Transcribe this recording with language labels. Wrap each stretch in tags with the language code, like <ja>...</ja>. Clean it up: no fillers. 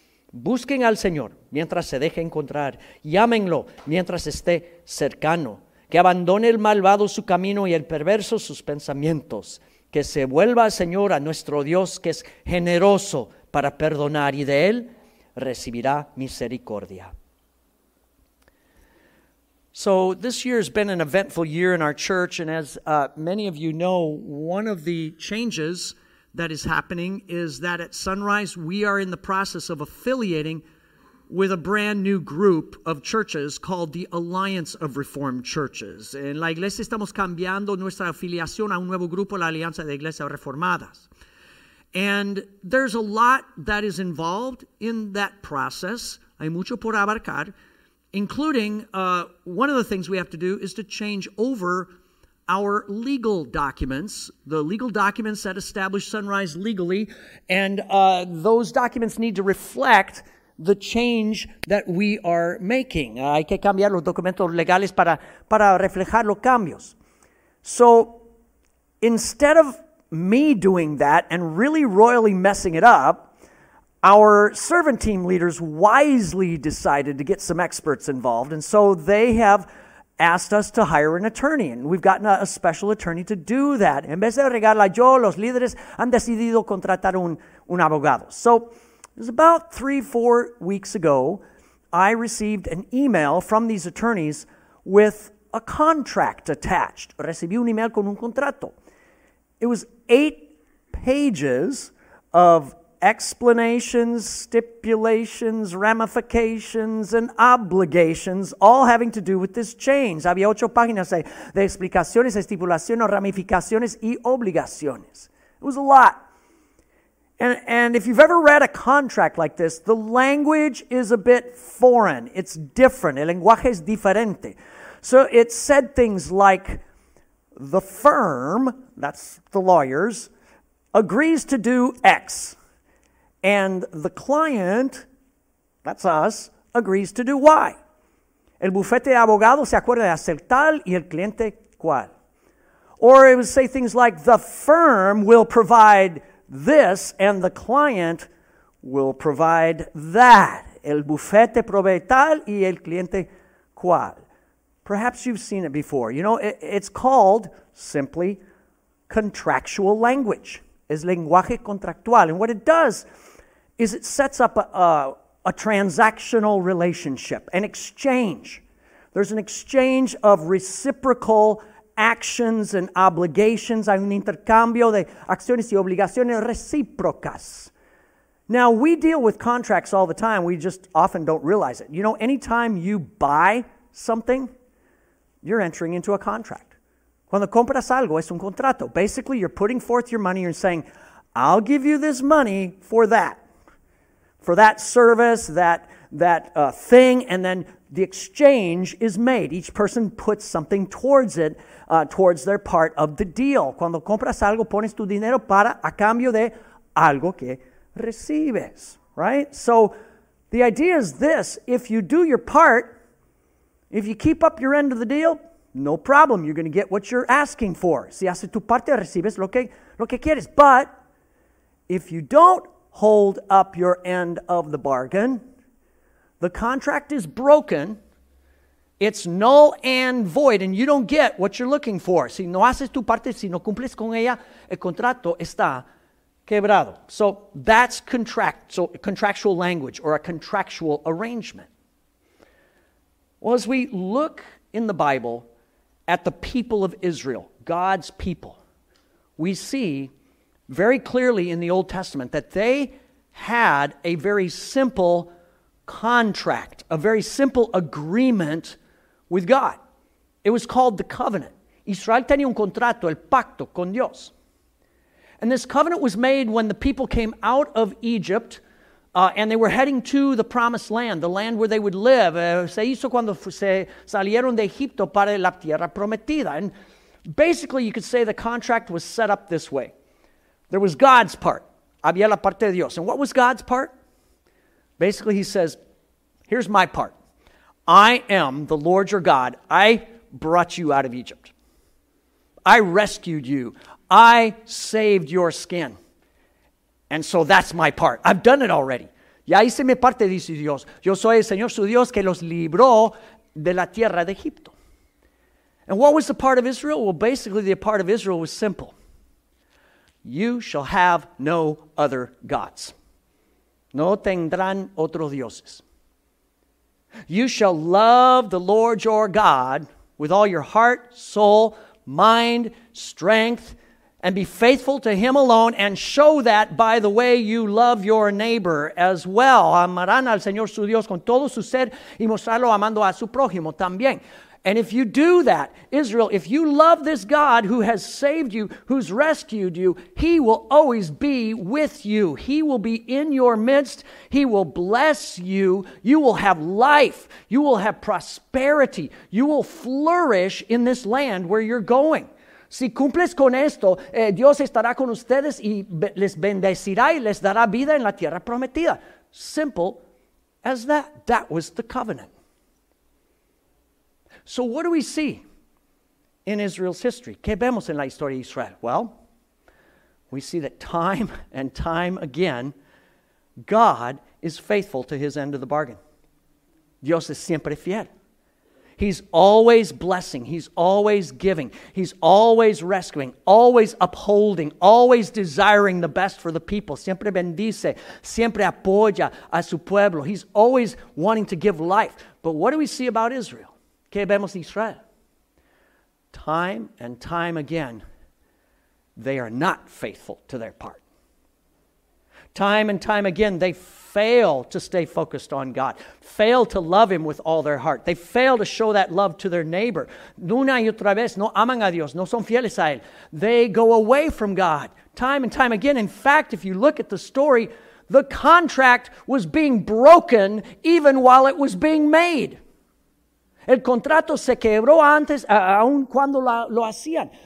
<es>Busquen al Señor mientras se deje encontrar. Llámenlo mientras esté cercano. Que abandone el malvado su camino y el perverso sus pensamientos. que se vuelva al Señor, a nuestro Dios, que es generoso para perdonar, y de Él recibirá misericordia.</es> <en>So this year has been an eventful year in our church, and as many of you know, one of the changes that is happening is that at Sunrise, we are in the process of affiliating with a brand new group of churches called the Alliance of Reformed Churches.</en> <es>En la iglesia estamos cambiando nuestra afiliación a un nuevo grupo, la Alianza de Iglesias Reformadas.</es> <en>And there's a lot that is involved in that process.</en> <es>Hay mucho por abarcar,</es> <en>including one of the things we have to do is to change over our legal documents, the legal documents that establish Sunrise legally, and those documents need to reflect the change that we are making.</en> <es>Hay que cambiar los documentos legales para reflejar los cambios.</es> <en>So instead of me doing that and really royally messing it up, our servant team leaders wisely decided to get some experts involved, and so they have asked us to hire an attorney, and we've gotten a special attorney to do that.</en> <es>En vez de regarla yo, los líderes han decidido contratar un abogado.</es> <en>So it was about 3-4 weeks ago, I received an email from these attorneys with a contract attached.</en> <es>Recibí un email con un contrato.</es> <en>It was 8 pages of explanations, stipulations, ramifications, and obligations, all having to do with this change.</en> <es>Había 8 páginas de explicaciones, estipulaciones, ramificaciones, y obligaciones.</es> <en>It was a lot. And if you've ever read a contract like this, the language is a bit foreign. It's different.</en> <es>El lenguaje es diferente.</es> <en>So it said things like, the firm, that's the lawyers, agrees to do X. And the client, that's us, agrees to do Y.</en> <es>El bufete de abogado se acuerda de hacer tal y el cliente cual.</es> <en>Or it would say things like, the firm will provide this and the client will provide that.</en> <es>El bufete provee tal y el cliente cual.</es> <en>Perhaps you've seen it before. You know, it's called simply contractual language.</en> <es>Es lenguaje contractual.</es> <en>And what it does is it sets up a transactional relationship, an exchange. There's an exchange of reciprocal actions and obligations.</en> <es>Hay un intercambio de acciones y obligaciones recíprocas.</es> <en>Now, we deal with contracts all the time. We just often don't realize it. You know, anytime you buy something, you're entering into a contract.</en> <es>Cuando compras algo, es un contrato.</es> <en>Basically, you're putting forth your money and saying, I'll give you this money for that. For that service, that thing, and then the exchange is made. Each person puts something towards it, towards their part of the deal.</en> <es>Cuando compras algo, pones tu dinero para a cambio de algo que recibes,</es> <en>right? So the idea is this: if you do your part, if you keep up your end of the deal, no problem. You're going to get what you're asking for.</en> <es>Si haces tu parte, recibes lo que quieres.</es> <en>But if you don't hold up your end of the bargain, the contract is broken, it's null and void, and you don't get what you're looking for.</en> <es>Si no haces tu parte, si no cumples con ella, el contrato está quebrado.</es> <en>So that's contractual language, or a contractual arrangement. Well, as we look in the Bible at the people of Israel, God's people, we see very clearly in the Old Testament that they had a very simple contract, a very simple agreement with God. It was called the covenant.</en> <es>Israel tenía un contrato, el pacto con Dios.</es> <en>And this covenant was made when the people came out of Egypt and they were heading to the promised land, the land where they would live.</en> <es>Se hizo cuando se salieron de Egipto para la tierra prometida.</es> <en>And basically, you could say the contract was set up this way. There was God's part.</en> <es>Había la parte de Dios.</es> <en>And what was God's part? Basically, he says, here's my part. I am the Lord your God. I brought you out of Egypt. I rescued you. I saved your skin. And so that's my part. I've done it already.</en> <es>Ya hice mi parte, dice Dios. Yo soy el Señor su Dios que los libró de la tierra de Egipto.</es> <en>And what was the part of Israel? Well, basically, the part of Israel was simple. You shall have no other gods.</en> <es>No tendrán otros dioses.</es> <en>You shall love the Lord your God with all your heart, soul, mind, strength, and be faithful to him alone, and show that by the way you love your neighbor as well.</en> <es>Amarán al Señor su Dios con todo su ser y mostrarlo amando a su prójimo también.</es> <en>And if you do that, Israel, if you love this God who has saved you, who's rescued you, he will always be with you. He will be in your midst. He will bless you. You will have life. You will have prosperity. You will flourish in this land where you're going.</en> <es>Si cumples con esto, Dios estará con ustedes y les bendecirá y les dará vida en la tierra prometida.</es> <en>Simple as that. That was the covenant. So what do we see in Israel's history?</en> <es>¿Qué vemos en la historia de Israel?</es> <en>Well, we see that time and time again, God is faithful to his end of the bargain.</en> <es>Dios es siempre fiel.</es> <en>He's always blessing. He's always giving. He's always rescuing, always upholding, always desiring the best for the people.</en> <es>Siempre bendice, siempre apoya a su pueblo.</es> <en>He's always wanting to give life. But what do we see about Israel?</en> <es>¿Qué vemos Israel?</es> <en>Time and time again, they are not faithful to their part. Time and time again, they fail to stay focused on God, fail to love him with all their heart. They fail to show that love to their neighbor.</en> <es>Una y otra vez, no aman a Dios, no son fieles a él.</es> <en>They go away from God time and time again. In fact, if you look at the story, the contract was being broken even while it was being made.</en> <es>El contrato se quebró antes, aun cuando lo hacían.</es>